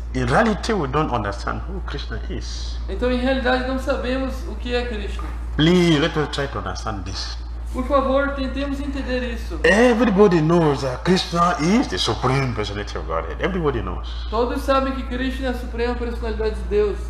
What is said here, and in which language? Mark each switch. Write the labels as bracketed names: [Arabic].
[English] In reality, we don't understand who Krishna is. [Portuguese] Então, em realidade, não sabemos o que é Krishna. [English] Please, let us try to understand this. [Portuguese] Por favor, tentemos entender isso. [English] Everybody knows that Krishna is the supreme personality of Godhead. Everybody knows. [Portuguese] Todos sabem que Krishna é a suprema personalidade de Deus.